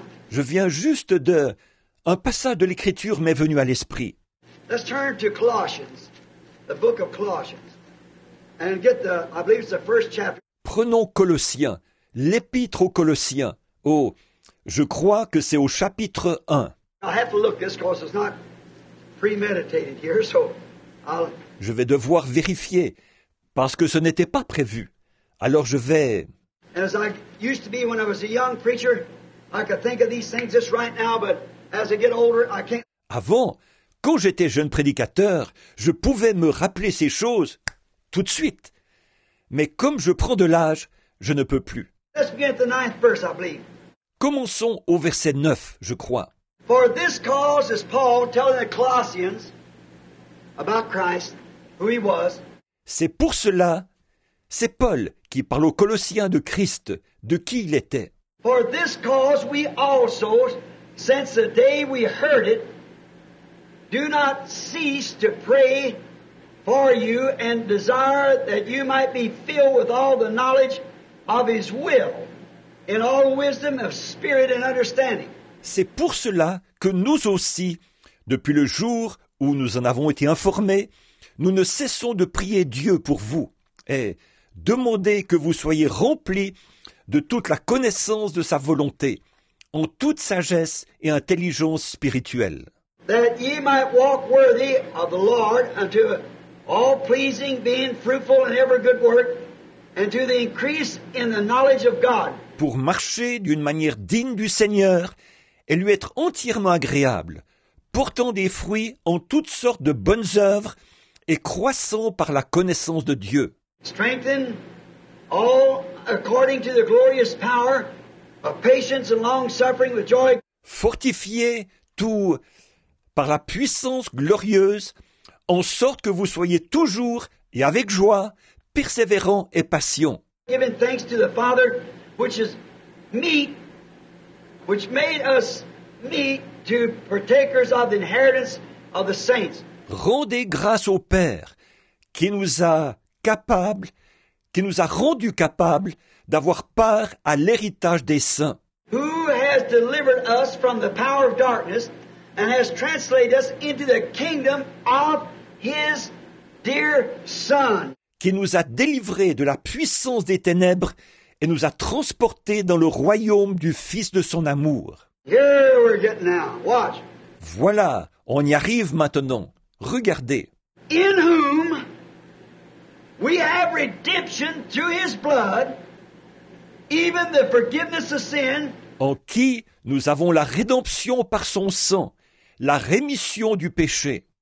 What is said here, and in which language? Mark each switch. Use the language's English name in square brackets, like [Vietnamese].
[French] Je viens juste de... Un passage de l'Écriture m'est venu à l'esprit. [English] Let's turn to Colossians, the book of Colossians, and get the, I believe it's the first chapter. [French] Prenons Colossiens, l'Épître aux Colossiens. Oh, je crois que c'est au chapitre 1. [English] I have to look this because it's not premeditated here, so I'll... [French] Je vais devoir vérifier, parce que ce n'était pas prévu. Alors je vais... [English] As I used to be when I was a young preacher, I could think of these things just right now, but as I get older, I can't... [French] Avant, quand j'étais jeune prédicateur, je pouvais me rappeler ces choses tout de suite. Mais comme je prends de l'âge, je ne peux plus. [English] Let's begin at the ninth verse, I believe. [French] Commençons au verset 9, je crois. [English] For this cause is Paul telling the Colossians... About Christ, who he was. [French] C'est pour cela, c'est Paul qui parle aux Colossiens de Christ, de qui il était. [English] For this cause we also, since the day we heard it, do not cease to pray for you and desire that you might be filled with all the knowledge of his will, in all wisdom of spirit and understanding. [French] C'est pour cela que nous aussi, depuis le jour où nous en avons été informés, nous ne cessons de prier Dieu pour vous et demander que vous soyez remplis de toute la connaissance de sa volonté, en toute sagesse et intelligence spirituelle. [English] That ye might walk worthy of the Lord unto all pleasing, being fruitful in every good work, and to the increase in the knowledge of God. [French] Pour marcher d'une manière digne du Seigneur et lui être entièrement agréable, portant des fruits en toutes sortes de bonnes œuvres et croissant par la connaissance de Dieu. [English] Strengthen all according to the glorious power of patience and long suffering with joy. [French] Fortifiez tout par la puissance glorieuse, en sorte que vous soyez toujours et avec joie, persévérant et patient. [English] Giving thanks to the Father, which is meet, which made us meet. To partakers of the inheritance of the saints. [French] Rendez grâce au Père qui nous a capables, qui nous a rendus capables d'avoir part à l'héritage des saints. [English] Who has delivered us from the power of darkness and has translated us into the kingdom of his dear Son. [French] Qui nous a délivrés de la puissance des ténèbres et nous a transportés dans le royaume du Fils de son amour. [English] Here we're getting now. Watch. [French] Voilà, on y arrive maintenant. Regardez. [English] In whom we have redemption through his blood, even the forgiveness of sin. [French] En qui nous avons la rédemption par son sang, la rémission du péché.